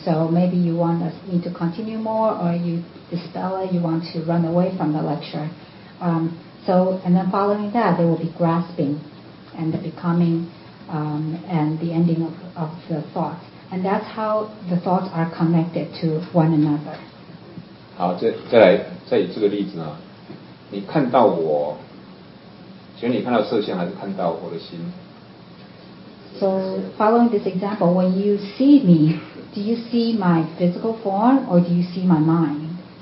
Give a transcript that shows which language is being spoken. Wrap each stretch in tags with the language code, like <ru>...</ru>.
<en>So maybe you want me to continue more, or you dispel it, you want to run away from the lecture. So, and then following that, there will be grasping and the becoming, and the ending of the thought. And that's how the thoughts are connected to one another.</en> <zh>好，再来，再以这个例子呢，你看到我，其实你看到色相还是看到我的心。</zh> <en>So following this example, when you see me, do you see my physical form or do you see my mind?</en>